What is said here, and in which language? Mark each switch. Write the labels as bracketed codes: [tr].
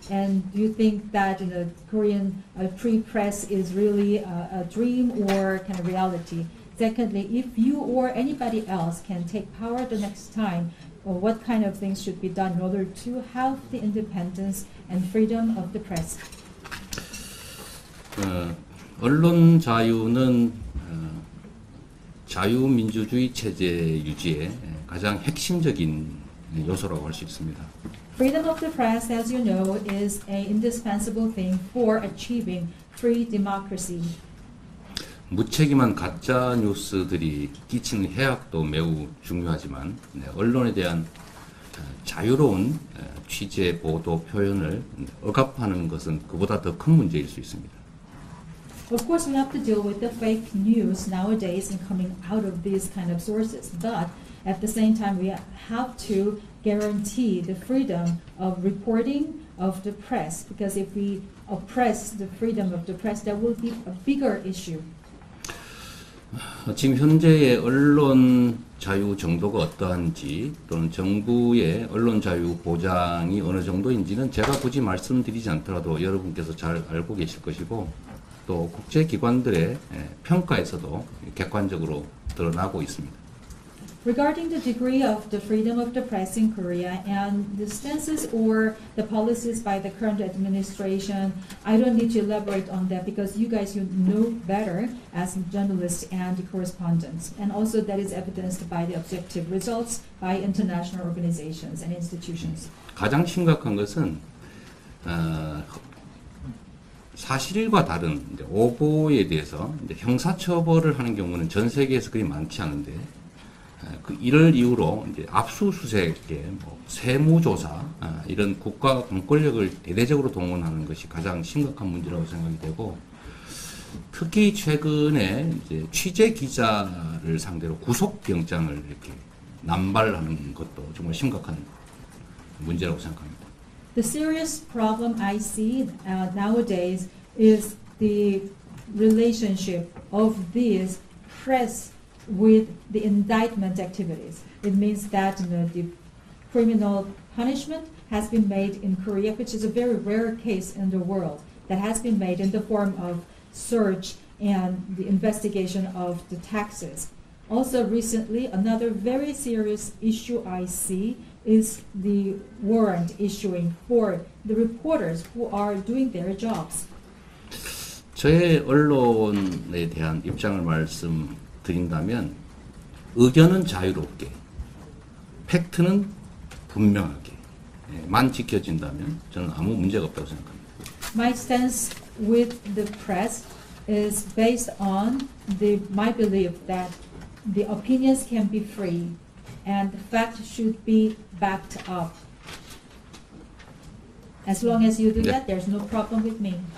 [en] And do you think that the Korean free press is really a dream or kind of reality? Secondly, if you or anybody else can take power the next time, well, what kind of things should be done in order to help the independence and freedom of the press? [ko] 언론 자유는 자유민주주의 체제 유지에 가장 핵심적인 요소라고 할 수 있습니다. [en] Freedom of the press, as you know, is an indispensable thing for achieving free democracy. [ko] 무책임한 가짜 뉴스들이 끼치는 해악도 매우 중요하지만 언론에 대한 자유로운 취재, 보도, 표현을 억압하는 것은 그보다 더 큰 문제일 수 있습니다. [en] Of course, we have to deal with the fake news nowadays and coming out of these kind of sources. But at the same time, we have to guarantee the freedom of reporting of the press. Because if we oppress the freedom of the press, that will be a bigger issue. [ko] 지금 현재의 언론 자유 정도가 어떠한지 또는 정부의 언론 자유 보장이 어느 정도인지는 제가 굳이 말씀드리지 않더라도 여러분께서 잘 알고 계실 것이고 또 국제기관들의 평가에서도 객관적으로 드러나고 있습니다. [en] Regarding the degree of the freedom of the press in Korea and the stances or the policies by the current administration, I don't need to elaborate on that because you guys know better as journalists and correspondents. And also that is evidenced by the objective results by international organizations and institutions. [ko] 가장 심각한 것은 사실과 다른 이제 오보에 대해서 이제 형사처벌을 하는 경우는 전 세계에서 그리 많지 않은데 그 이를 이유로 이제 압수수색에 뭐 세무조사 이런 국가 공권력을 대대적으로 동원하는 것이 가장 심각한 문제라고 생각이 되고, 특히 최근에 이제 취재 기자를 상대로 구속영장을 이렇게 남발하는 것도 정말 심각한 문제라고 생각합니다. [en] The serious problem I see nowadays is the relationship of this press with the indictment activities. It means that the criminal punishment has been made in Korea, which is a very rare case in the world, that has been made in the form of search and the investigation of the taxes. Also recently, another very serious issue I see is the warrant issuing for the reporters who are doing their jobs. [ko] 저의 언론에 대한 입장을 말씀드린다면, 의견은 자유롭게, 팩트는 분명하게만 지켜진다면 저는 아무 문제가 없다고 생각합니다. [en] My stance with the press is based on my belief that the opinions can be free and the facts should be backed up. As long as you do that, there's no problem with me.